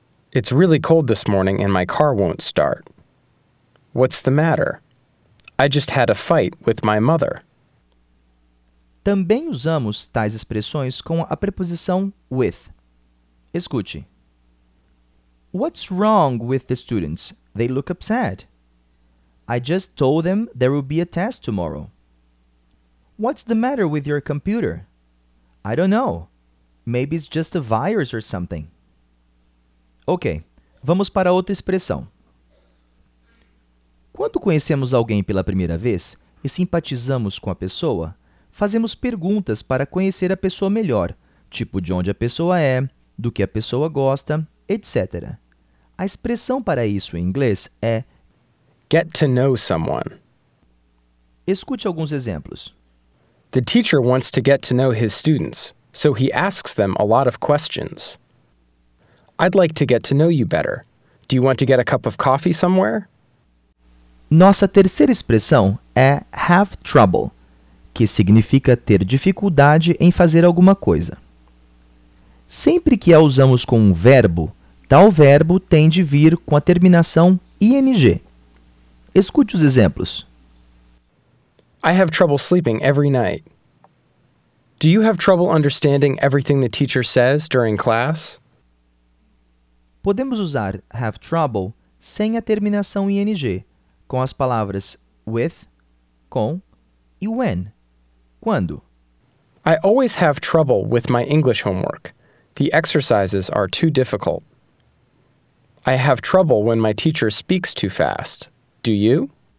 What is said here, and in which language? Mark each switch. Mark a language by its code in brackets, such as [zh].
[en] It's really cold this morning and my car won't start. What's the matter? I just had a fight with my mother. [pt] Também usamos tais expressões com a preposição with. Escute. [en] What's wrong with the students? They look upset. I just told them there will be a test tomorrow. What's the matter with your computer? I don't know. Maybe it's just a virus or something. [pt] Ok, vamos para outra expressão. Quando conhecemos alguém pela primeira vez e simpatizamos com a pessoa, fazemos perguntas para conhecer a pessoa melhor, tipo de onde a pessoa é, do que a pessoa gosta, etc. A expressão para isso em inglês é [en] get to know someone. [pt] Escute alguns exemplos. [en] The teacher wants to get to know his students, so he asks them a lot of questions. I'd like to get to know you better. Do you want to get a cup of coffee somewhere? [pt] Nossa terceira expressão é [en] have trouble, [pt] que significa ter dificuldade em fazer alguma coisa. Sempre que a usamos com um verbo, tal verbo tem de vir com a terminação ing. Escute os exemplos. [en] I have trouble sleeping every night. Do you have trouble understanding everything the teacher says during class? [pt] Podemos usar [en] have trouble [pt] sem a terminação ing, com as palavras with, com e when, quando. [en] I always have trouble with my English homework. The exercises are too difficult. I have trouble when my teacher speaks too fast. Do you?